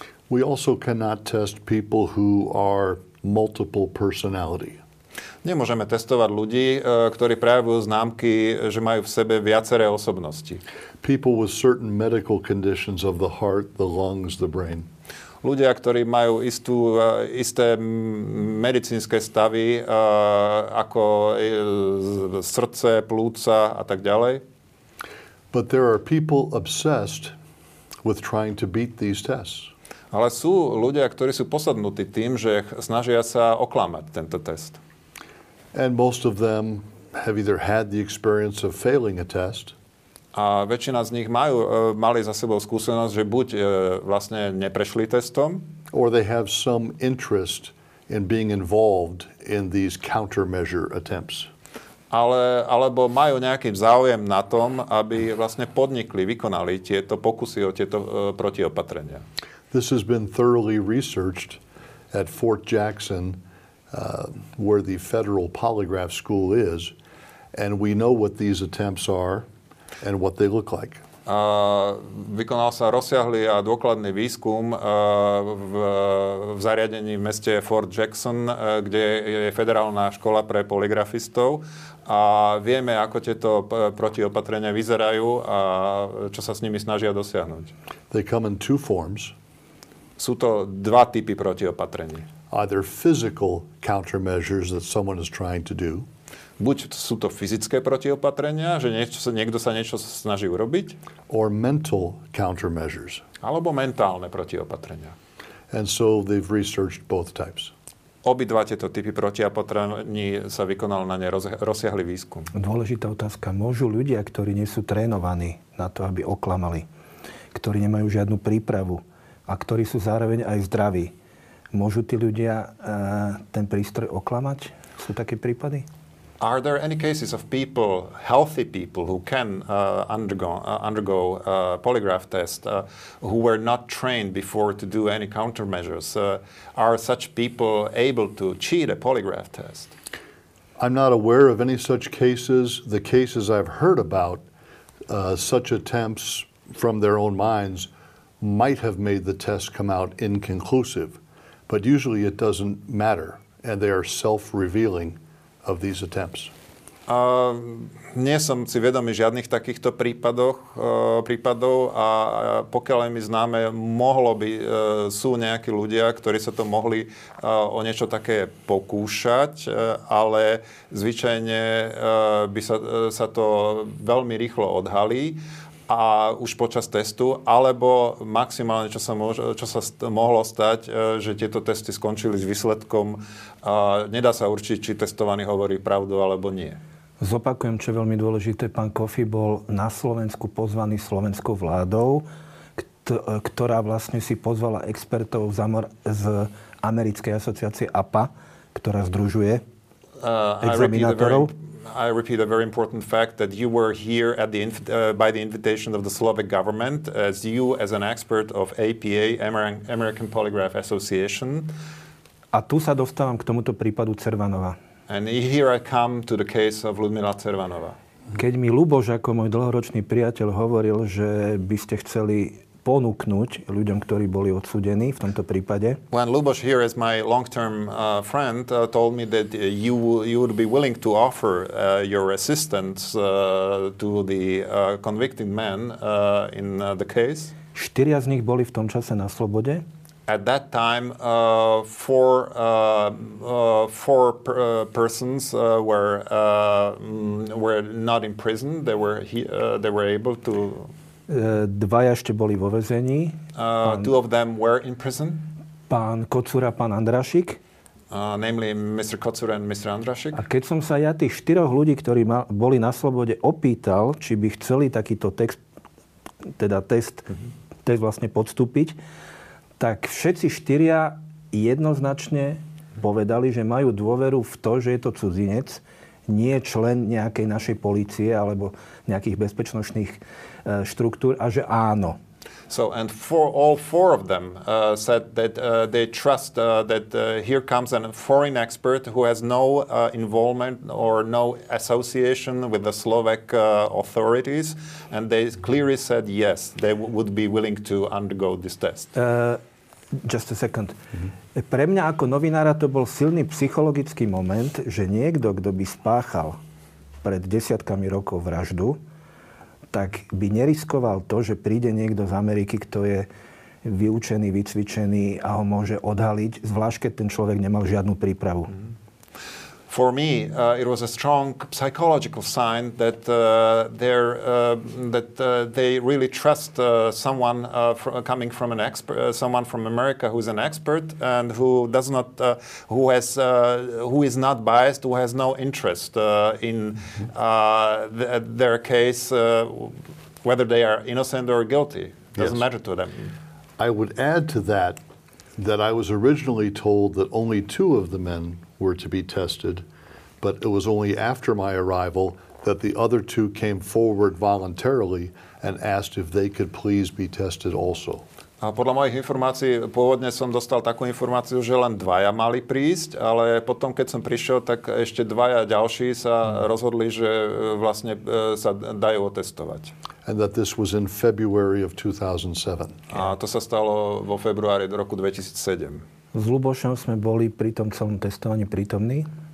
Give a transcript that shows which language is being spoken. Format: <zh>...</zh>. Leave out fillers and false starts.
<en>We also cannot test people who are multiple personality.</en> <sk>Nemôžeme testovať ľudí, ktorí prejavujú známky, že majú v sebe viaceré osobnosti.</sk> <en>People with certain medical conditions of the heart, the lungs, the brain.</en> <sk>Ľudia, ktorí majú isté medicínske stavy, ako srdce, plúca a tak ďalej.</sk> <en>But there are people obsessed with trying to beat these tests.</en> <sk>Ale sú ľudia, ktorí sú posadnutí tým, že snažia sa oklamať tento test.</sk> <en>And most of them have either had the experience of failing a test.</en> <sk>A väčšina z nich mali za sebou skúsenosť, že buď vlastne neprešli testom,</sk> <en>or they have some interest in being involved in these countermeasure attempts.</en> <sk>Alebo majú nejaký záujem na tom, aby vlastne podnikli, vykonali tieto pokusy o tieto protiopatrenia.</sk> <en>This has been thoroughly researched at Fort Jackson, where the Federal Polygraph School is, and we know what these attempts are and what they look like.</en> <sk>Vykonal sa rozsiahly a dôkladný výskum v zariadení v meste Fort Jackson, kde je federálna škola pre polygrafistov. A vieme, ako tieto protiopatrenia vyzerajú a čo sa s nimi snažia dosiahnuť.</sk> <en>They come in two forms.</en> <sk>Sú to dva typy protiopatrení.</sk> <en>Either physical countermeasures that someone is trying to do.</en> <sk>Buď sú to fyzické protiopatrenia, že niekto sa niečo snaží urobiť.</sk> <en>Or mental countermeasures.</en> <sk>Alebo mentálne protiopatrenia.</sk> <en>And so they've researched both types.</en> <sk>Obidva tieto typy protiopatrení sa vykonal na ne rozsiahly výskum. Dôležitá otázka. Môžu ľudia, ktorí nie sú trénovaní na to, aby oklamali, ktorí nemajú žiadnu prípravu, a ktorí sú zároveň aj zdraví. Môžu tí ľudia ten prístroj oklamať? Sú také prípady?</sk> <en>Are there any cases of people, healthy people, who can undergo a polygraph test, who were not trained before to do any countermeasures? Are such people able to cheat a polygraph test? I'm not aware of any such cases. The cases I've heard about, such attempts from their own minds, might have made the test come out inconclusive, but usually it doesn't matter, and they are self-revealing of these attempts?</en> <sk>Nie som si vedomý žiadnych takýchto prípadov a pokiaľ mi známe, mohlo by, sú nejakí ľudia, ktorí sa to mohli o niečo také pokúšať, ale zvyčajne by sa to veľmi rýchlo odhalí a už počas testu, alebo maximálne, čo sa mohlo stať, že tieto testy skončili s výsledkom, nedá sa určiť, či testovaný hovorí pravdu alebo nie. Zopakujem, čo je veľmi dôležité. Pán Kofi bol na Slovensku pozvaný slovenskou vládou, ktorá vlastne si pozvala expertov z americkej asociácie APA, ktorá združuje examinátorov.</sk> <en>I repeat a very important fact that you were here at the by the invitation of the Slovak government as you as an expert of APA, American Polygraph Association.</en> <sk>A tu sa dostávam k tomuto prípadu Cervanova.</sk> <en>And here I come to the case of Ľudmila Cervanova.</en> <sk>Keď mi Luboš, ako môj dlhoročný priateľ, hovoril, že by ste chceli ponúknuť ľuďom, ktorí boli odsúdení v tomto prípade.</sk> <en>When Luboš here as my long-term friend told me that you would be willing to offer your assistance to the convicted man in the case.</en> <sk>Štyria z nich boli v tom čase na slobode.</sk> <en>At that time four persons were not in prison, they were able to</en> <sk>dvaja ešte boli vo väzení.</sk> <en>Two of them were in prison.</en> <sk>Pán Kocura, pán Andrašik.</sk> <en>Namely Mr. Kocura and Mr. Andrašik.</en> <sk>A keď som sa ja tých štyroch ľudí, ktorí boli na slobode, opýtal, či by chceli takýto test vlastne podstúpiť, tak všetci štyria jednoznačne povedali, že majú dôveru v to, že je to cudzinec, nie člen nejakej našej polície alebo nejakých bezpečnostných štruktúr a že áno.</sk> <en>So and for all four of them said that they trust that here comes a foreign expert who has no involvement or no association with the Slovak authorities and they clearly said yes, they would be willing to undergo this test. Just a second. Mm-hmm.</en> <sk>Pre mňa ako novinára to bol silný psychologický moment, že niekto, kto by spáchal pred desiatkami rokov vraždu, tak by neriskoval to, že príde niekto z Ameriky, kto je vyučený, vycvičený a ho môže odhaliť, zvlášť keď ten človek nemal žiadnu prípravu.</sk> <en>For me, it was a strong psychological sign that they really trust someone coming from an expert, someone from America who is an expert and who does not, who is not biased, who has no interest in their case, whether they are innocent or guilty. Doesn't yes. matter to them. I would add to that I was originally told that only two of the men were to be tested, but it was only after my arrival that the other two came forward voluntarily and asked if they could please be tested also.</en> <sk>A podľa mojich informácií, pôvodne som dostal takú informáciu, že len dvaja mali prísť, ale potom, keď som prišiel, tak ešte dvaja ďalší sa rozhodli, že vlastne sa dajú otestovať.</sk> <en>And that this was in February of 2007.</en> <sk>A to sa stalo vo februári do roku 2007. S Lubošom sme boli pri tom celom testovaní prítomní.</sk>